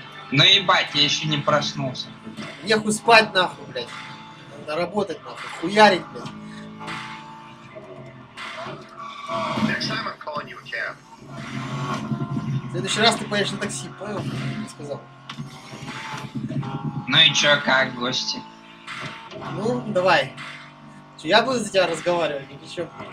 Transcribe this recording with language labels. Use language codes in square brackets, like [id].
[ru] Ну ебать, я еще не проснулся. Нехуй спать нахуй, блядь. Надо работать нахуй, хуярить, блядь. [en] Next time I'm calling you a cab. [ru] В следующий раз ты поедешь на такси, понял? Я сказал. Ну и чё, как гости? Ну, давай. Чё, я буду за тебя разговаривать, или чё?